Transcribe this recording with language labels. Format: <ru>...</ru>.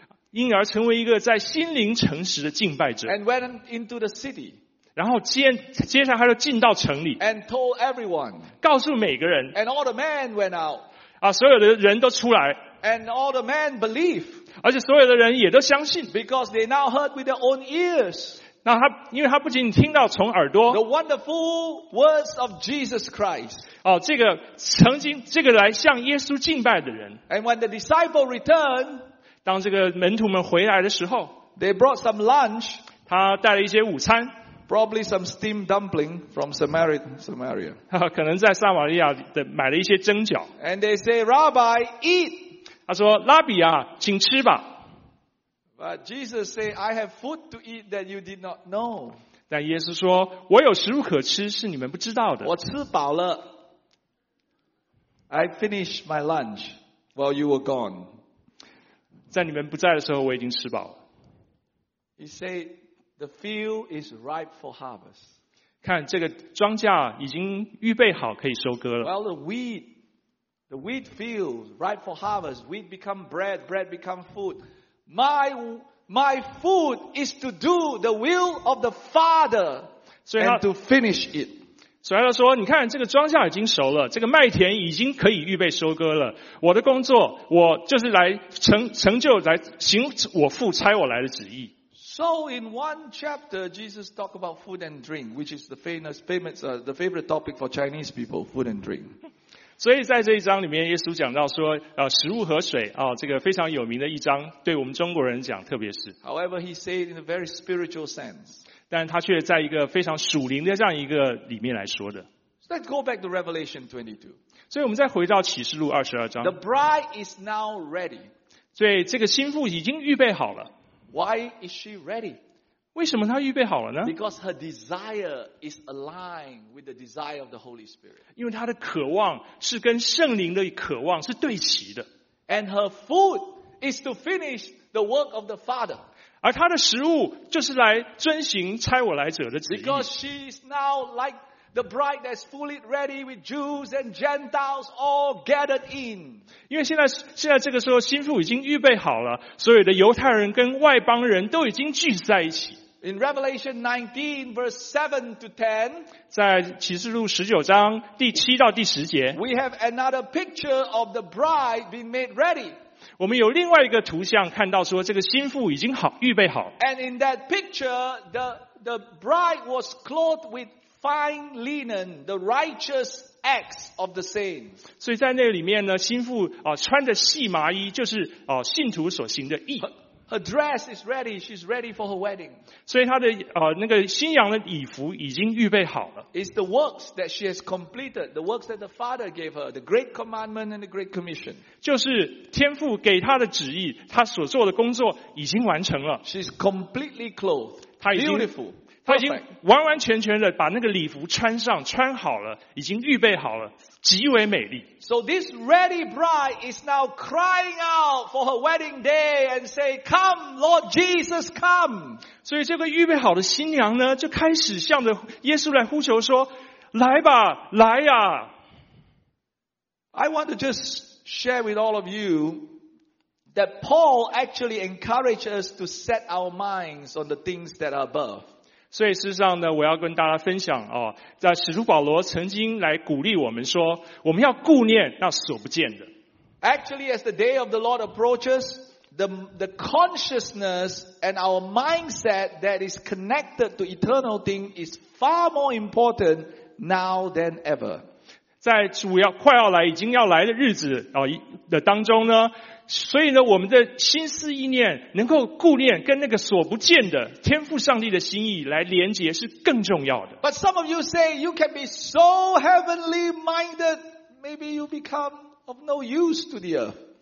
<zh>因而成为一个在心灵诚实的敬拜者。</zh> <en>And went into the city.</en> <zh>然后接下来他就进到城里。</zh> <en>And told everyone.</en> <zh>告诉每个人。</zh> <en>And all the men went out.</en> <zh>所有的人都出来。</zh> <en>And all the men believe.</en> <zh>而且所有的人也都相信。</zh> <en>Because they now heard with their own ears.</en> <zh>那他因为他不仅听到从耳朵。</zh> <en>The wonderful words of Jesus Christ.</en> <zh>这个曾经这个来向耶稣敬拜的人。</zh> <en>And when the disciple returned,</en> <zh>当这个门徒们回来的时候</zh> <en>，They brought some lunch.</en> <zh>他带了一些午餐</zh> <en>，Probably some steamed dumpling from Samaria.</en> <zh>可能在撒玛利亚的买了一些蒸饺。</zh> <en>And they say, Rabbi, eat.</en> <zh>他说，拉比啊，请吃吧。</zh> <en>But Jesus say, I have food to eat that you did not know.</en> <zh>但耶稣说，我有食物可吃，是你们不知道的。我吃饱了</zh> <en>，I finished my lunch while you were gone.</en> <zh>在你们不在的时候，我已经吃饱了。</zh> <en>He said, The field is ripe for harvest.</en> <zh>看这个庄稼已经预备好可以收割了。</zh> <en>Well, the wheat field ripe for harvest. Wheat become bread, bread become food. My food is to do the will of the Father and to finish it.</en> <zh>所以他说你看这个庄稼已经熟了，这个麦田已经可以预备收割了，我的工作我就是来 成就来行我父差我来的旨意。</zh> <en>So in one chapter Jesus talk about food and drink, which is the favorite topic for Chinese people, food and drink.</en> <zh>所以在这一章里面耶稣讲到说食物和水这个非常有名的一章，对我们中国人讲特别是。</zh> <en>However, he said in a very spiritual sense.</en> <zh>但他却在一个非常属灵的这样一个里面来说的。</zh> <en>Let's go back to Revelation 22.</en> <zh>所以我们再回到启示录22章。</zh> <en>The bride is now ready.</en> <zh>所以这个新妇已经预备好了。</zh> <en>Why is she ready?</en> <zh>为什么她预备好了呢？</zh> <en>Because her desire is aligned with the desire of the Holy Spirit.</en> <zh>因为她的渴望是跟圣灵的渴望是对齐的。</zh> <en>And her food is to finish the work of the Father.</en> <zh>而他的食物就是来遵行差我来者的旨意。</zh> <en>Because she is now like the bride that's fully ready with Jews and Gentiles all gathered in.</en> <zh>因为现在这个时候，新妇已经预备好了，所有的犹太人跟外邦人都已经聚在一起。</zh> <en>In Revelation 19, verse 7 to 10,</en> <zh>在启示录十九章第七到第十节</zh> <en>，we have another picture of the bride being made ready.</en> <zh>我们有另外一个图像看到说这个新妇已经好预备好。</zh> <en>And in that picture, the bride was clothed with fine linen, the righteous acts of the saints.</en> <zh>所以在那里面呢，新妇穿着细麻衣，就是信徒所行的义。</zh> <en>Her dress is ready, she's ready for her wedding.</en> <zh>所以她的那个新娘的礼服已经预备好了。</zh> <en>It's the works that she has completed, the works that the Father gave her, the great commandment and the great commission.</en> <zh>就是天父给她的旨意，她所做的工作已经完成了。</zh> <en>She's completely clothed, beautiful.</en> <zh>她已经完完全全的把那个礼服穿上，穿好了，已经预备好了，极为美丽。</zh> <en>So this ready bride is now crying out for her wedding day and say, Come, Lord Jesus, come.</en> <zh>所以这个预备好的新娘呢，就开始向着耶稣来呼求说，来吧，来呀。</zh> <en>I want to just share with all of you that Paul actually encouraged us to set our minds on the things that are above.</en> <zh>所以事实上呢，我要跟大家分享在使徒保罗曾经来鼓励我们说，我们要顾念那所不见的。</zh> <en>Actually, as the day of the Lord approaches, the consciousness and our mindset that is connected to eternal thing is far more important now than ever.</en> <zh>在主要快要来已经要来的日子的当中呢，所以呢，我们的心思意念能够顾念跟那个所不见的天父上帝的心意来连结是更重要的。</zh> <en>But some of you say you can be so heavenly minded, maybe you become of no use to the earth.</en>